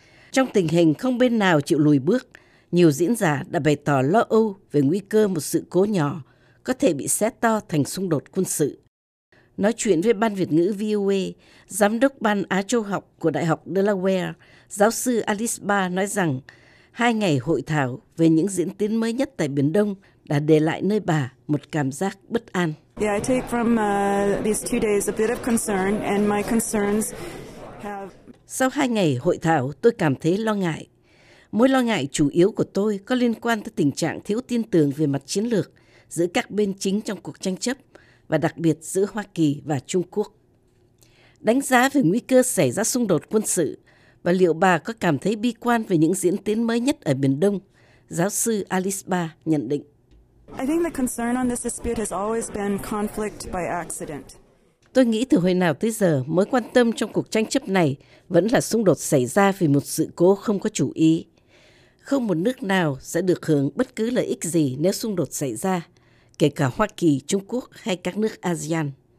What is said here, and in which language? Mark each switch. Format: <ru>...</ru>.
<vi>Trong tình hình không bên nào chịu lùi bước, nhiều diễn giả đã bày tỏ lo âu về nguy cơ một sự cố nhỏ có thể bị xé to thành xung đột quân sự. Nói chuyện với Ban Việt ngữ VOA, Giám đốc Ban Á Châu học của Đại học Delaware, giáo sư Alice Barr nói rằng, 2 ngày hội thảo về những diễn tiến mới nhất tại Biển Đông đã để lại nơi bà một cảm giác bất an.</vi> <en>Yeah, I take from these 2 days a bit of concern, and my concerns have.</en> <vi>Sau 2 ngày hội thảo, tôi cảm thấy lo ngại. Mối lo ngại chủ yếu của tôi có liên quan tới tình trạng thiếu tin tưởng về mặt chiến lược giữa các bên chính trong cuộc tranh chấp và đặc biệt giữa Hoa Kỳ và Trung Quốc. Đánh giá về nguy cơ xảy ra xung đột quân sự. Và liệu bà có cảm thấy bi quan về những diễn tiến mới nhất ở Biển Đông? Giáo sư Alice Barr nhận định.</vi> <en>I think the concern on this dispute has always been conflict by accident.</en> <vi>Tôi nghĩ từ hồi nào tới giờ mối quan tâm trong cuộc tranh chấp này vẫn là xung đột xảy ra vì một sự cố không có chủ ý. Không một nước nào sẽ được hưởng bất cứ lợi ích gì nếu xung đột xảy ra, kể cả Hoa Kỳ, Trung Quốc hay các nước ASEAN.</vi>